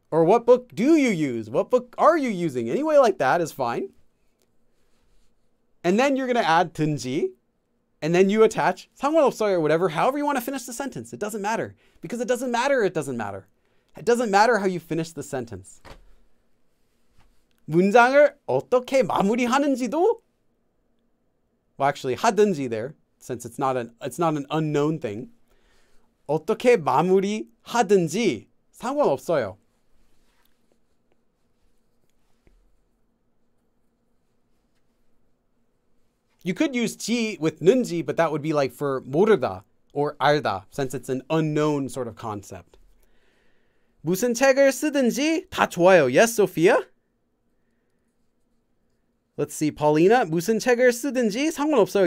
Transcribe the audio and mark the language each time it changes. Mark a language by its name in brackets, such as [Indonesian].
[English] Or what book do you use? What book are you using? Any way like that is fine. And then you're going to add 든지. And then you attach [Korean] 상관없어요 [English] or whatever, however you want to finish the sentence. It doesn't matter. Because it doesn't matter, it doesn't matter. It doesn't matter how you finish the sentence. [Korean] 문장을 어떻게 마무리하는지도? [English] Well, actually, 하든지 there, since it's not an unknown thing. [Korean] 어떻게 마무리하든지 상관없어요. [English] You could use 지 with 는지, but that would be like for 모르다 or 알다, since it's an unknown sort of concept. [Korean] 무슨 책을 쓰든지 다 좋아요. [English] Yes, Sophia? Let's see, Paulina. [Korean] 무슨 책을 쓰든지 상관없어요.